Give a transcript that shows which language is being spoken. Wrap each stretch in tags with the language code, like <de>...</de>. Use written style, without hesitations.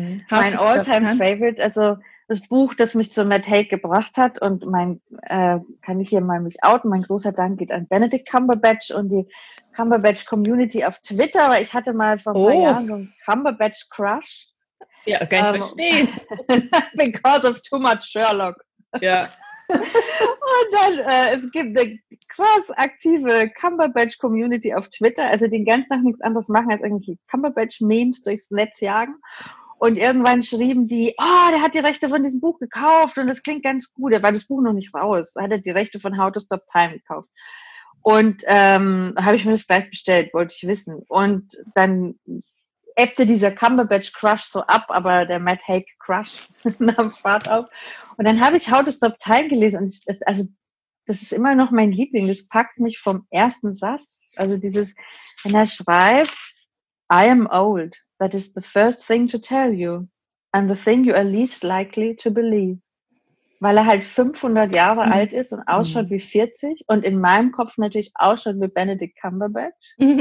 <de>How mein all-time-favorite, also das Buch, das mich zu Matt Haig gebracht hat und mein, kann ich hier mal mich outen, mein großer Dank geht an Benedict Cumberbatch und die Cumberbatch-Community auf Twitter, weil ich hatte mal vor ein paar Jahren so einen Cumberbatch-Crush. Ja, kann ich verstehen.</de> <en>Because of too much Sherlock.</en> <de>Ja. Und dann, es gibt eine krass aktive Cumberbatch-Community auf Twitter, also die den ganzen Tag nichts anderes machen, als irgendwie Cumberbatch-Memes durchs Netz jagen. Und irgendwann schrieben die, oh, der hat die Rechte von diesem Buch gekauft und das klingt ganz gut. Da war das Buch noch nicht raus. Da hat er die Rechte von How to Stop Time gekauft. Und habe ich mir das gleich bestellt, wollte ich wissen. Und dann ebbte dieser Cumberbatch-Crush so ab, aber der Matt Haig-Crush nahm Fahrt auf. Und dann habe ich How to Stop Time gelesen. Und also das ist immer noch mein Liebling. Das packt mich vom ersten Satz. Also dieses, wenn er schreibt,</de> <en>I am old. That is the first thing to tell you and the thing you are least likely to believe.</en> <de>Weil er halt 500 Jahre alt ist und ausschaut wie 40 und in meinem Kopf natürlich ausschaut wie Benedict Cumberbatch.</de>